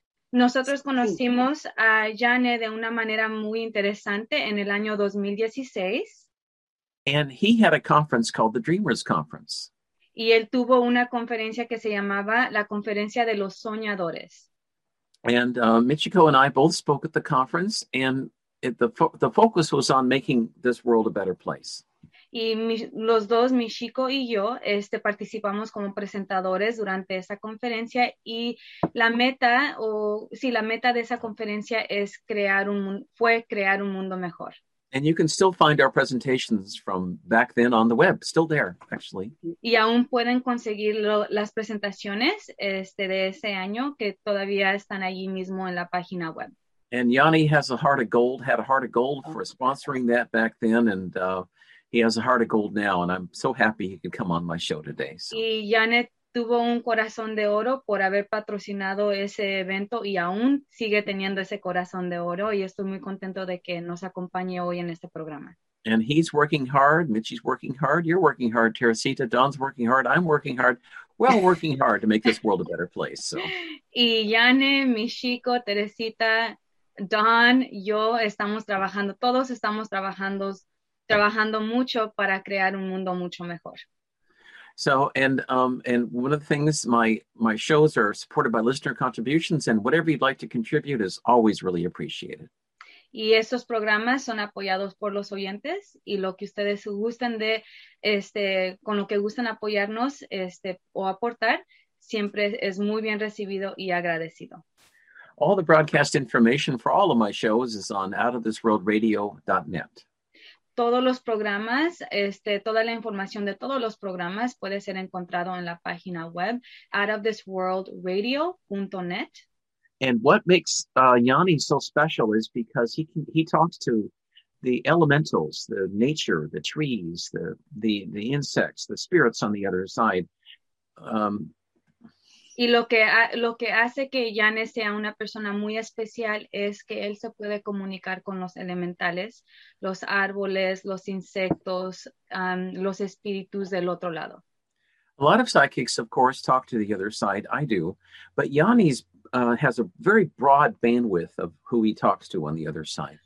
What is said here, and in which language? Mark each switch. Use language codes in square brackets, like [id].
[es] Nosotros conocimos a Jane de una manera muy interesante en el año 2016. [en] And he had a conference called the Dreamers Conference. [es] Y él tuvo una conferencia que se llamaba la Conferencia de los Soñadores. [en] And Michiko and I both spoke at the conference, and the focus was on making this world a better place. [es] Y los dos, Michiko y yo, participamos como presentadores durante esa conferencia, y la meta de esa conferencia fue crear un mundo mejor. [en] And you can still find our presentations from back then on the web, still there, actually. [es] Y aún pueden conseguir las presentaciones de ese año, que todavía están allí mismo en la página web. [en] And Yanni had a heart of gold for sponsoring that back then, and he has a heart of gold now, and I'm so happy he could come on my show today. [es] Y Janet tuvo un corazón de oro por haber patrocinado ese evento, y aún sigue teniendo ese corazón de oro, y estoy muy contento de que nos acompañe hoy en este programa. [en] And he's working hard, Mitchie's working hard, you're working hard, Teresita, Don's working hard, I'm working hard. We're all working hard to make this world a better place. [es] Y Janet, Michiko, Teresita, Don, yo estamos trabajando, todos estamos trabajando mucho para crear un mundo mucho mejor. [en] So, and one of the things, my shows are supported by listener contributions, and whatever you'd like to contribute is always really appreciated. [es] Y estos programas son apoyados por los oyentes, y lo que ustedes gusten de, con lo que gusten apoyarnos, o aportar, siempre es muy bien recibido y agradecido. [en] All the broadcast information for all of my shows is on outofthisworldradio.net. [es] Todos los programas, toda la información de todos los programas puede ser encontrado en la página web outofthisworldradio.net. [en] And what makes Yanni so special is because he talks to the elementals, the nature, the trees, the insects, the spirits on the other side. [es] Y lo que hace que Yanni sea una persona muy especial es que él se puede comunicar con los elementales, los árboles, los insectos, los espíritus del otro lado. [en] A lot of psychics, of course, talk to the other side. I do. But Yanni's has a very broad bandwidth of who he talks to on the other side.